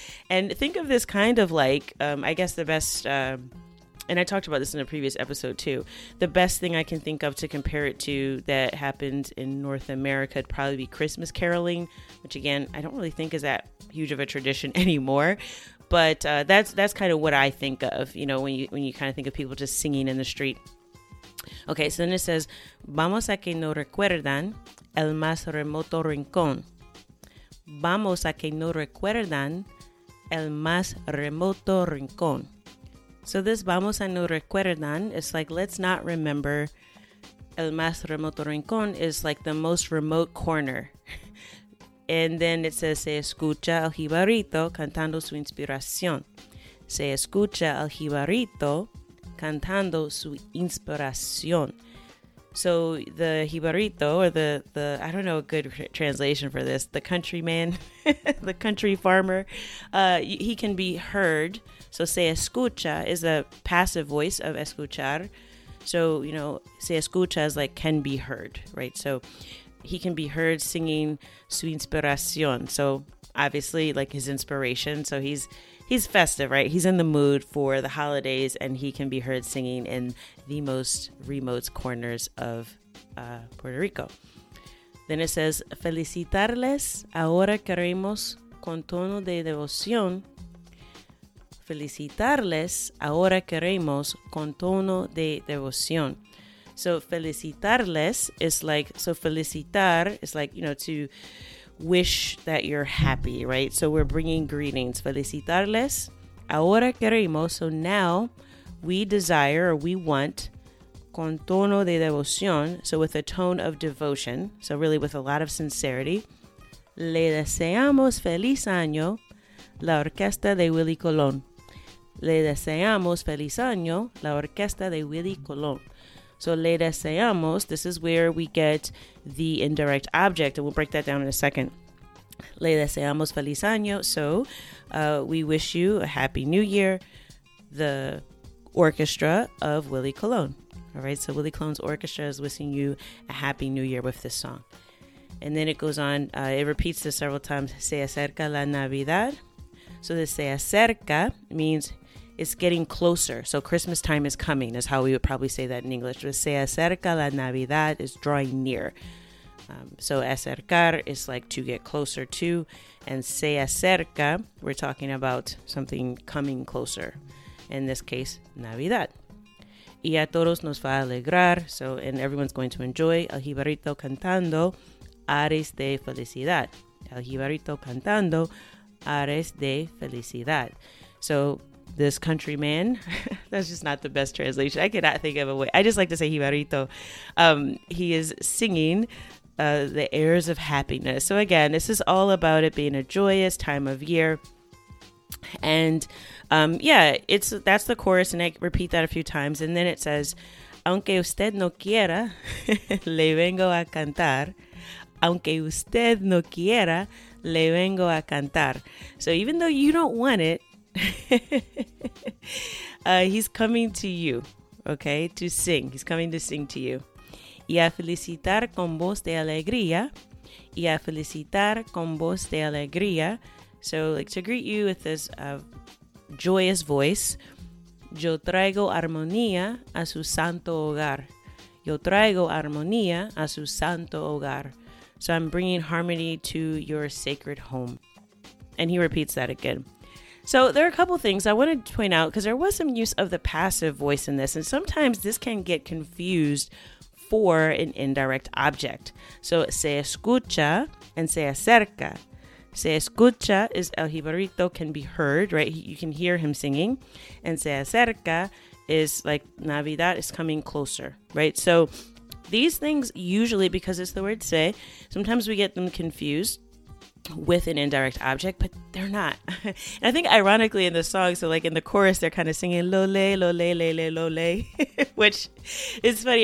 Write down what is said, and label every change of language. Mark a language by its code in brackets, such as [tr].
[en] And think of this kind of like, I guess the best, and I talked about this in a previous episode too, the best thing I can think of to compare it to that happened in North America would probably be Christmas caroling, which again, I don't really think is that huge of a tradition anymore. But that's kind of what I think of, you know, when you kind of think of people just singing in the street. Okay, so then it says, [es] vamos a que no recuerdan el más remoto rincón. Vamos a que no recuerdan el más remoto rincón. [en] So this [es] vamos a no recuerdan [en] is like, let's not remember. [es] El más remoto rincón [en] is like the most remote corner. And then it says, [es] se escucha al jibarito cantando su inspiración. Se escucha al jibarito cantando su inspiración. [en] So the jibarito, or the I don't know a good translation for this, the countryman, the country farmer, he can be heard. So [es] se escucha [en] is a passive voice of escuchar. So, you know, [es] se escucha [en] is like can be heard, right? So he can be heard singing [es] su inspiración. [en] So obviously like his inspiration. So he's festive, right? He's in the mood for the holidays, and he can be heard singing in the most remote corners of Puerto Rico. Then it says, [es] felicitarles, ahora queremos con tono de devoción. Felicitarles, ahora queremos con tono de devoción. [en] So felicitarles is like, so felicitar is like, you know, to wish that you're happy, right? So we're bringing greetings. [es] Felicitarles, ahora queremos, [en] so now we desire, or we want, [es] con tono de devoción, [en] so with a tone of devotion, so really with a lot of sincerity. [es] Le deseamos feliz año la orquesta de Willy Colón. Le deseamos feliz año la orquesta de Willy Colón. [en] So [es] le deseamos, [en] this is where we get the indirect object, and we'll break that down in a second. [es] Le deseamos feliz año. [en] So we wish you a happy new year, the orchestra of Willy Colón. All right, so Willy Colón's orchestra is wishing you a happy new year with this song. And then it goes on, it repeats this several times. [es] Se acerca la Navidad. [en] So the [es] se acerca [en] means it's getting closer. So Christmas time is coming is how we would probably say that in English. [es] Se acerca la Navidad [en] is drawing near. So acercar is like to get closer to. And [es] se acerca, [en] we're talking about something coming closer. In this case, Navidad. [es] Y a todos nos va a alegrar. [en] So, and everyone's going to enjoy. [es] El jibarito cantando, ares de felicidad. El jibarito cantando, ares de felicidad. [en] So this countryman, that's just not the best translation. I cannot think of a way. I just like to say jibarito. He is singing the airs of happiness. So again, this is all about it being a joyous time of year. And yeah, it's that's the chorus. And I repeat that a few times. And then it says, [es] aunque usted no quiera, le vengo a cantar. Aunque usted no quiera, le vengo a cantar. [en] So even though you don't want it, he's coming to you, okay, to sing. He's coming to sing to you. [es] Y a felicitar con voz de alegría. Y a felicitar con voz de alegría. [en] So, like, to greet you with this joyous voice. [es] Yo traigo armonía a su santo hogar. Yo traigo armonía a su santo hogar. [en] So I'm bringing harmony to your sacred home. And he repeats that again. So there are a couple things I wanted to point out, because there was some use of the passive voice in this. And sometimes this can get confused for an indirect object. So [es] se escucha [en] and [es] se acerca. Se escucha [en] is [es] el jibarito [en] can be heard, right? You can hear him singing. And [es] se acerca [en] is like Navidad is coming closer, right? So these things usually, because it's the word se, sometimes we get them confused. with an indirect object, but they're not. And I think ironically in the song, so like in the chorus, they're kind of singing lole, lole, lele, lole, which is funny.